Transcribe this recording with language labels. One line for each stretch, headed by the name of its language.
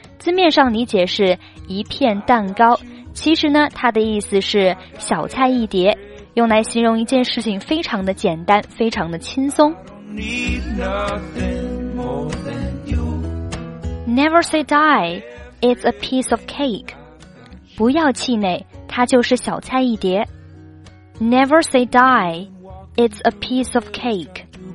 Chinese: 字面上理解是一片蛋糕。其实呢，它的意思是小菜一碟，用来形容一件事情非常的简单，非常的轻松。
English: Never say die, it's a piece of cake.
Chinese: 不要气馁，它就是小菜一碟。
English: Never say die, it's a piece of cake.